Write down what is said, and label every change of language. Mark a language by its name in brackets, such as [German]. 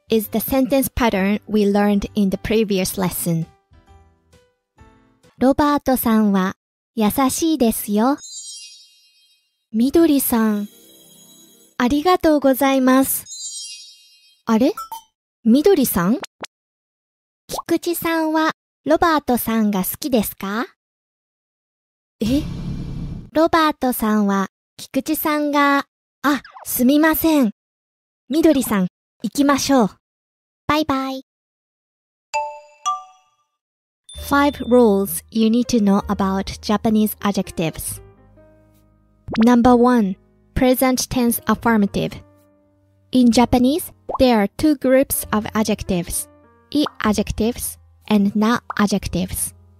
[English] is the sentence pattern we learned in the previous lesson. [Japanese] ロバートさんは優しいですよ。みどりさん。ありがとうございます。あれ？みどりさん？菊池さんはロバートさんが好きですか？え？ロバートさんは菊池さんが、あ、すみません。みどりさん、行きましょう。バイバイ。 [English] Five rules you need to know about Japanese adjectives. Number one. Present tense affirmative. In Japanese, there are two groups of adjectives, I adjectives and na adjectives.